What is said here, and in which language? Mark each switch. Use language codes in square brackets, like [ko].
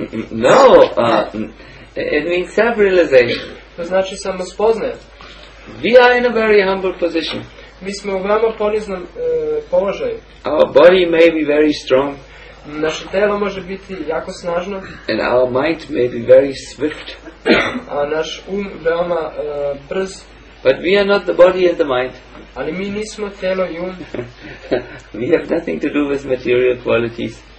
[en] No, it means self-realization. [sr] To znači samospoznaje. [en] We are in a very humble position. [sr] Mi smo u veoma poniznom položaju. [en] Our body may be very strong. [sr] Naše telo može biti jako snažno. [en] And our mind may be very swift. [sr] A naš um veoma brz. [en] But we are not the body and the mind. [sr] Ali mi nismo telo i um. [en] We have nothing to do with material qualities.